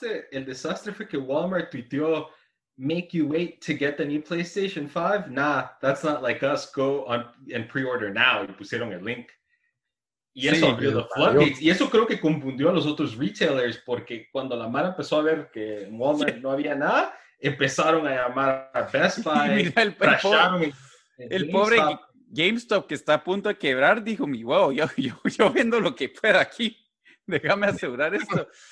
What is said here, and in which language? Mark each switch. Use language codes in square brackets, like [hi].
[es] El desastre fue que Walmart tuiteó, [en] make you wait to get the new PlayStation 5? Nah, that's not like us, go on and pre-order now. [es] Y pusieron el link. Y eso, y eso creo que confundió a los otros retailers, porque cuando la mara empezó a ver que en Walmart no había nada, empezaron a llamar a Best Buy. Mira, el pobre GameStop, que está a punto de quebrar, dijo, mi wow, yo vendo lo que pueda aquí, déjame asegurar esto.